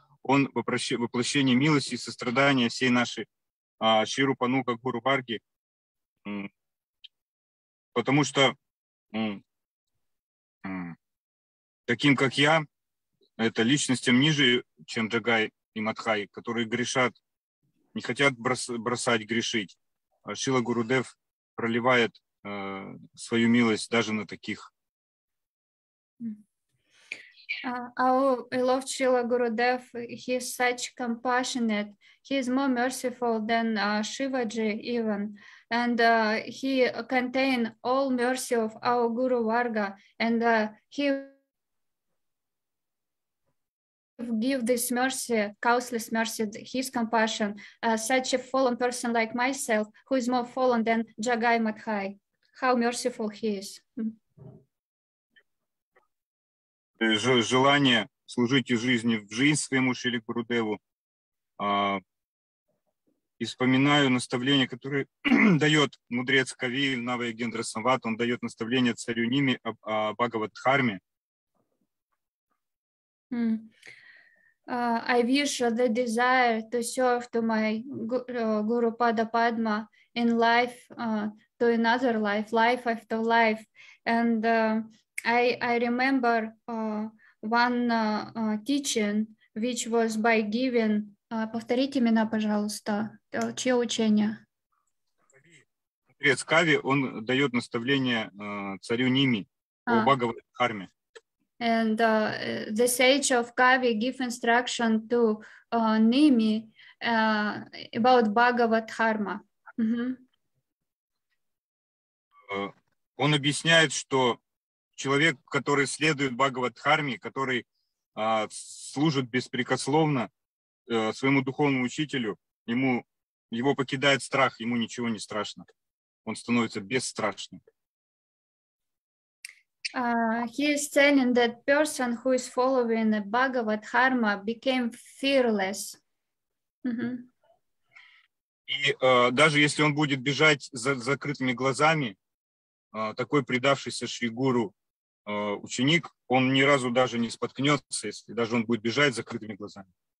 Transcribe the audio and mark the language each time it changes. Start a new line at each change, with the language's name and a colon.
Russian: Он воплощение милости и сострадания всей нашей Ширупанука Гуру Варги, потому что таким, как я, это личностям ниже, чем Джагай и Мадхай, которые грешат, не хотят бросать грешить. Шрила Гурудев проливает свою милость даже на таких.
English: Our beloved Srila Gurudev, he is such compassionate. He is more merciful than Shivaji even. And he contains all mercy of our Guru Varga. And he give this mercy, causeless mercy, his compassion, such a fallen person like myself, who is more fallen than Jagai Madhai. How merciful he is.
Russian: Желание служить жизни в жизнь своему Шри Гурудеву. И вспоминаю наставление, которое дает мудрец Кави Навайгендра Сават. Он дает наставление царю Ними о Бхагавадхарме.
English: I wish the desire to serve to my Guru Pada Padma in life, to another life, life after life. And I remember one teaching which was by giving.
Russian: Повторите имена, пожалуйста. Чье учение? Мудрец Кави, он дает наставление царю Ними о Бхагавадхарме.
English: And the sage of Kavi give instruction to Nimi about Bhagavad-Dharma.
Russian: Он объясняет, что человек, который следует Бхагавад-Дхарме, который служит беспрекословно своему духовному учителю, ему его покидает страх, ему ничего не страшно. Он становится бесстрашным.
English: He is telling that person who is following the Bhagavad Dharma became fearless.
Russian: И даже если он будет бежать за закрытыми глазами, такой предавшийся Шри Гуру ученик, он ни разу даже не споткнется, если даже он будет бежать закрытыми глазами.